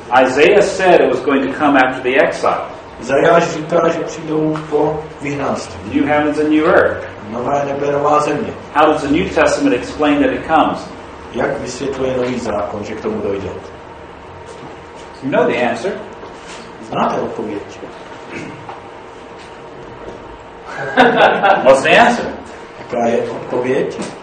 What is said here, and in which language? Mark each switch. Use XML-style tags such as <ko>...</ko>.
<en>Isaiah said it was going to come after the exile.</en> <cs>Izajáš říkal, že přijdou po vyhnanství.</cs> <en>New heavens and new earth.</en> <cs>Nová nebe, nová země.</cs> <en>How does the New Testament explain that it comes?</en> <cs>Jak vysvětluje nový zákon, že k tomu dojde?</cs> <en>You know the answer.</en> <cs>Znáte odpověď.</cs> <en>What's the answer?</en> <cs>Jaká je odpověď?</cs>